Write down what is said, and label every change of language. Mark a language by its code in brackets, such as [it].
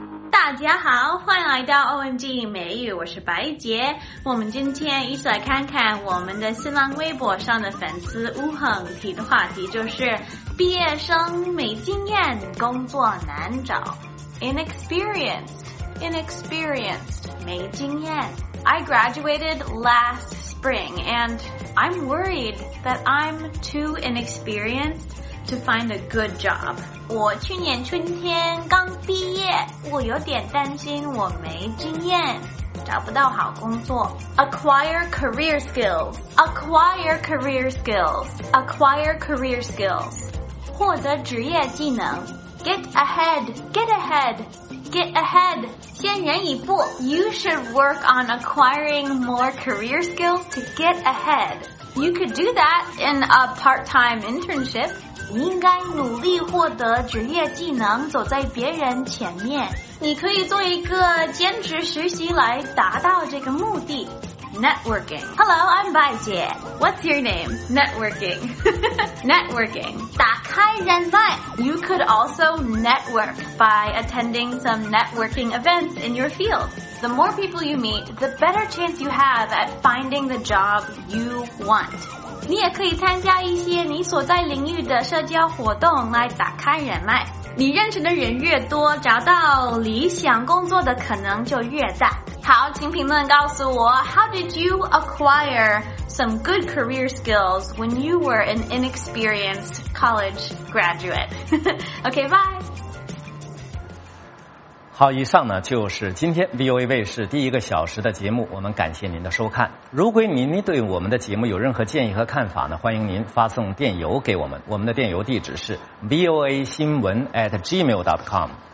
[zh] 大家好，欢迎来到 OMG 美语，我是白杰。我们今天一起来看看我们的新浪微博上的粉丝吴恒提的话题，就是毕业生没经验，工作难找。 [en] Inexperienced [zh] 没经验。 [en] I graduated last spring and I'm worried that I'm too inexperiencedTo find a good job. [zh] 我去年春天刚毕业，我有点担心我没经验，找不到好工作。 [en] Acquire career skills. Acquire career skills. Acquire career skills. [zh] 获得职业技能。 [en] Get ahead. Get ahead. Get ahead. [zh] 先人一步。 [en] You should work on acquiring more career skills to get ahead. You could do that in a part-time internship. [zh] 你应该努力获得职业技能，走在别人前面。你可以做一个兼职实习来达到这个目的。 [en] Networking. Hello, I'm 白姐。What's your name? Networking. Networking. [zh] 打开人脉。 [en] You could also network by attending some networking events in your field. The more people you meet, the better chance you have at finding the job you want. [zh] 你也可以参加一些你所在领域的社交活动来打开人脉，你认识的人越多，找到理想工作的可能就越大。好，请评论告诉我， [en] How did you acquire some good career skills when you were an inexperienced college graduate? OK, bye! [zh] 好，以上呢就是今天 VOA 卫视第一个小时的节目，我们感谢您的收看。如果您对我们的节目有任何建议和看法呢，欢迎您发送电邮给我们，我们的电邮地址是 voa 新闻@gmail.com。